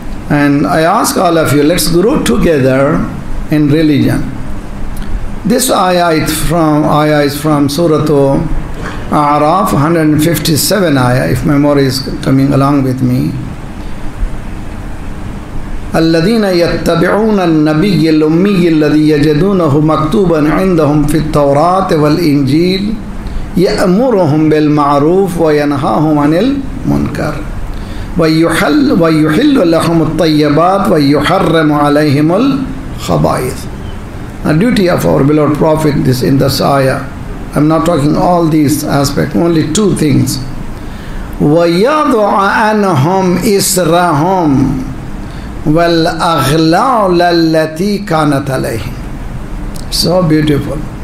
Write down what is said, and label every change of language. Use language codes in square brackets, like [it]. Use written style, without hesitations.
[en] And I ask all of you, let's grow together in religion. This ayah is from Surah A'raf, 157 ayah, if memory is coming along with me. [ar] الذين يتبعون النبي الأمي الذي يجدونه مكتوبا عندهم في التوراة والإنجيل يأمرهم بالمعروف وينهاهم عن المنكر ويحل لهم الطيبات ويحرم عليهم الخبائث. [en] A duty of our beloved Prophet is in this ayah. I'm not talking all these aspects, only two things. [ar] وَيَضُعَ عَنْهُمْ إِسْرَهُمْ وَالْأَغْلَالَ الَّتِي كَانَتْ عَلَيْهِمْ. [en] So beautiful.